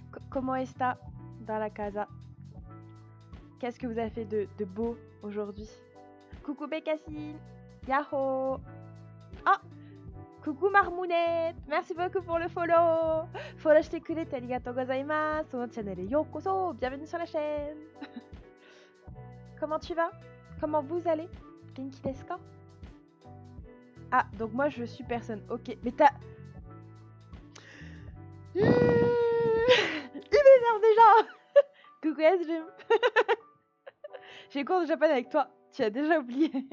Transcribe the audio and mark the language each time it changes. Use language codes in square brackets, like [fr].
[fr] Comment est-ce dans la casa? Qu'est-ce que vous avez fait de beau aujourd'hui? Coucou Bécassine. Yaho. Oh, coucou Marmounette. Merci beaucoup pour le follow. [ja] Follow してくれてありがとうございます。このチャンネルへようこそ。 [fr] Bienvenue sur la chaîne. Comment tu vas? Comment vous allez? [ja] Genki desu ka? [fr] Ah, donc moi je suis personne. Ok, mais t'as... Il m'énerve déjà. Coucou Esjim. J'ai cours de japonais avec toi. Tu as déjà oublié.